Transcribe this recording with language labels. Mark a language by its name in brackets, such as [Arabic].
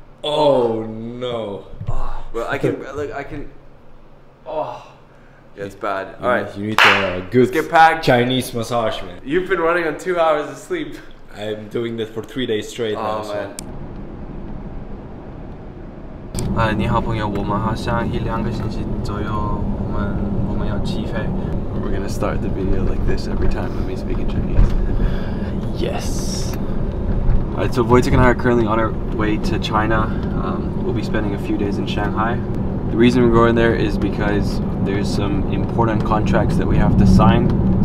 [English] Oh no. Bro, I can, Yeah, it's bad. All right. You need to good get packed. Chinese massage, man. You've been running on 2 hours of sleep. I'm doing this for 3 days straight now, man. So. [Chinese] Hi, 你好朋友，我们好像一两个星期左右，我们要起飞。 [English] We're gonna start the video like this every time when we speak in Chinese. Yes. Alright, so Wojtek and I are currently on our way to China. We'll be spending a few days in Shanghai. The reason we're going there is because there's some important contracts that we have to sign.